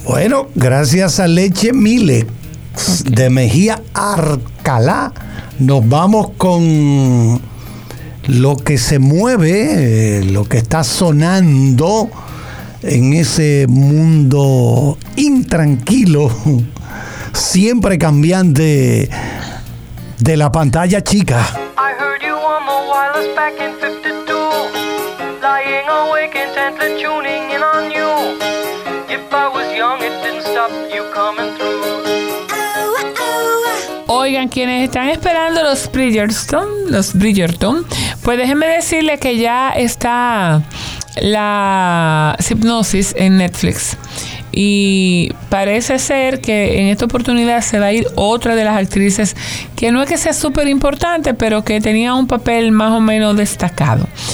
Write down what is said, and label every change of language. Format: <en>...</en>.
<es>Bueno, gracias a Leche Mile de Mejía Alcalá, nos vamos con lo que se mueve, lo que está sonando en ese mundo intranquilo, siempre cambiante de la pantalla chica.</es> <en>I heard you on the wireless back in 52, lying awake intently tuning in on you. If I was young it didn't stop you coming through.</en> <es>Oigan, quienes están esperando los Bridgerton, pues déjenme decirles que ya está la sinopsis en Netflix. Y parece ser que en esta oportunidad se va a ir otra de las actrices, que no es que sea súper importante, pero que tenía un papel más o menos destacado.</es>